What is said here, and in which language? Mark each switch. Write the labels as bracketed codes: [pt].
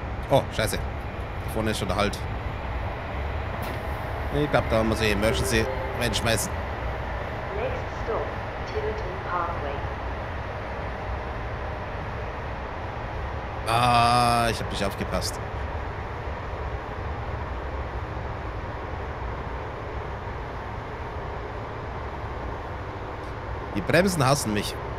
[de] Oh, scheiße. Da vorne ist schon der Halt. Ich glaube, da muss ich Emergency reinschmeißen. [en] Next stop, Tiverton Parkway. [de] Ah, ich habe nicht aufgepasst. Die Bremsen hassen mich.